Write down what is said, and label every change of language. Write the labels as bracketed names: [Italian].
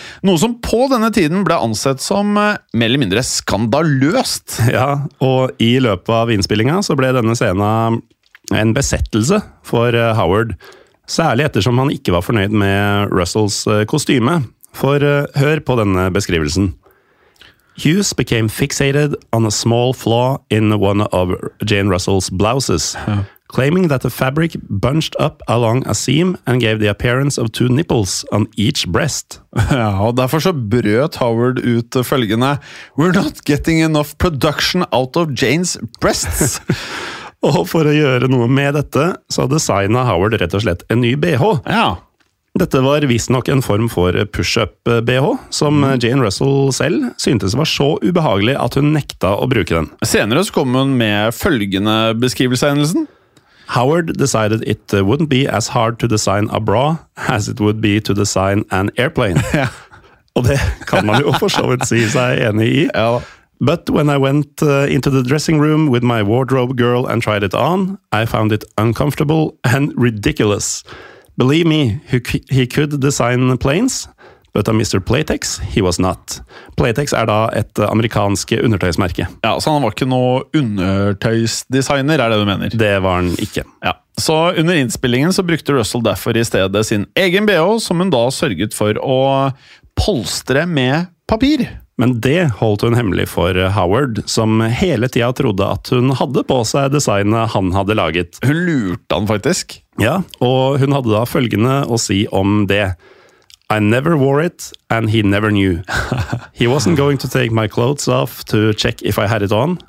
[Norwegian] Noe som på denne tiden ble ansett som mer eller mindre skandaløst. Ja, og i løpet av innspillingen så ble denne scenen en besettelse for Howard, særlig ettersom han ikke var fornøyd med Russells kostyme. For hør på denne beskrivelsen. [English] Hughes became fixated on a small flaw in one of Jane Russell's blouses, claiming that the fabric bunched up along a seam and gave the appearance of two nipples on each breast. [Norwegian] Ja, og derfor så brøt Howard ut følgende. [English] We're not getting enough production out of Jane's breasts. [Norwegian] Og for å gjøre noe med dette, så designet Howard rett og slett en ny BH. Ja. Dette var visst nok en form for push-up-BH, som Jane Russell selv syntes var så ubehagelig at hun nekta å bruke den. Senere så kom hun med følgende beskrivelse av hendelsen. [English] Howard decided it wouldn't be as hard to design a bra as it would be to design an airplane. [Norwegian] Ja. Og det kan man jo for så vidt si seg enig i. Ja da. [English] But when I went into the dressing room with my wardrobe girl and tried it on, I found it uncomfortable and ridiculous. Believe me, he could design planes, but a Mr. Playtex, he was not. [Norwegian] Playtex da et amerikansk undertøysmerke. Ja, så han var ikke noe undertøysdesigner, det du mener? Det var han ikke. Ja. Så under innspillingen så brukte Russell derfor i stedet sin egen BH, som hun da sørget for å polstre med papir. Men det holdt hun hemmelig for Howard, som hele tiden trodde at hun hadde på seg designet han hadde laget. Hun lurte han faktisk. Ja, og hun hadde da følgende å si om det. I never wore it, and he never knew. He wasn't going to take my clothes off to check if I had it on.